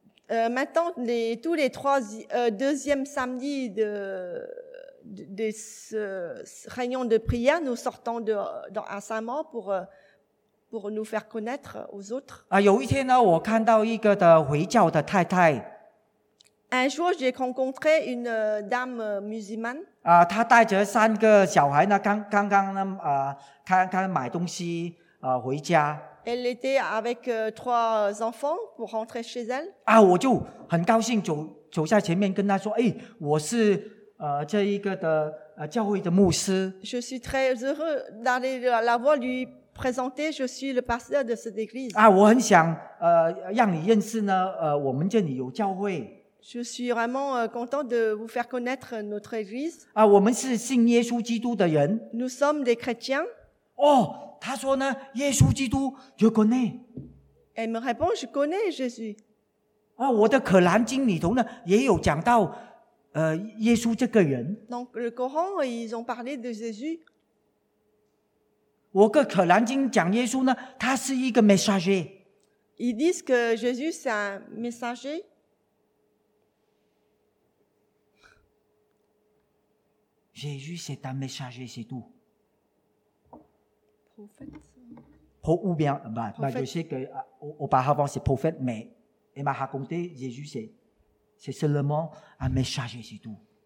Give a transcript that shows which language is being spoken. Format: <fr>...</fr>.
<fr>Maintenant tous les deuxième samedi de ce réunion de prière, nous sortons dans un Saint-Maur pour nous faire connaître aux autres.</fr> <zh>有一天呢，我看到一个的回教的太太。</zh> <fr>Un jour, j'ai rencontré une dame musulmane.</fr> <zh>她带着三个小孩呢，刚刚呢，刚买东西，回家。</zh> <fr>Elle était avec trois enfants pour rentrer chez elle.</fr> <zh>我就很高兴走在前面跟她说，哎，我是这一个的教会的牧师。</zh> <fr>Je suis très heureux d'aller la voir lui présenter. Je suis le pasteur de cette église.</fr> <zh>我很想让你认识呢，我们这里有教会。</zh> <fr>Je suis vraiment content de vous faire connaître notre église.</fr> <zh>啊，我们是信耶稣基督的人。</zh> <fr>Nous sommes des chrétiens.</fr> <zh>哦，他说呢，耶稣基督 ，</zh> <fr>je connais. Elle me répond, je connais Jésus.</fr> <zh>啊，我的可兰经里头呢，也有讲到，耶稣这个人。</zh> <fr>Donc le Coran, ils ont parlé de Jésus.</fr> <zh>我的可兰经讲耶稣呢，他是一个 messager.</zh> <fr>Ils disent que Jésus c'est un messager. Jésus, c'est un messager, c'est tout. Prophète. Ou bien, bah, je sais qu'auparavant, c'est prophète, mais il m'a raconté, Jésus, c'est seulement un messager, c'est tout.</fr>